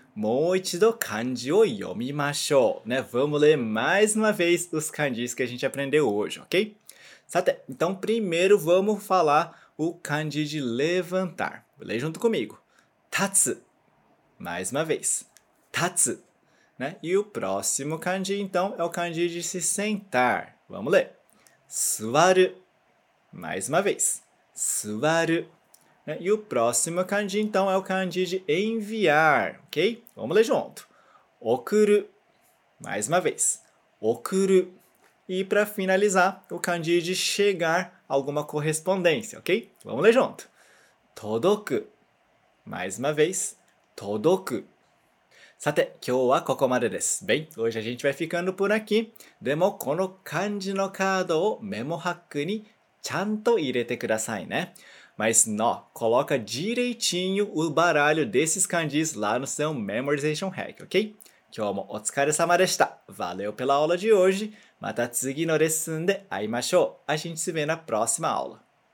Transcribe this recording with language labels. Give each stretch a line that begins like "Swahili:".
Japanese: もう一度漢字を読みましょう。
Portuguese: ね、vamos ler mais uma vez os kanjis que a gente aprendeu hoje, ok? さて、então primeiro vamos falar o kanji de levantar. Lê junto comigo. 立つ。Mais uma vez. 立つ。ね、e o próximo kanji, então, é o kanji de se sentar. Vamos ler. 座る。Mais uma vez. 座る。 E o próximo kanji, então, é o kanji de enviar, ok? Vamos ler junto. Okuru. Mais uma vez. Okuru. E para finalizar, o kanji de chegar alguma correspondência, ok? Vamos ler junto. Todoku. Mais uma vez. Todoku.
Japanese: さて、今日はここまでです。
Portuguese: Bem, hoje a gente vai ficando por aqui.
Japanese: でも、この漢字のカードをメモハックにちゃんと入れてくださいね。
Portuguese: Mas, ó, coloca direitinho o baralho desses kanjis lá no seu Memorization Hack, ok?
Japanese: Kyōmo otsukaresama deshita.
Portuguese: Valeu pela aula de hoje.
Japanese: Mata tsugi no lesson de aimashou.
Portuguese: A gente se vê na próxima aula.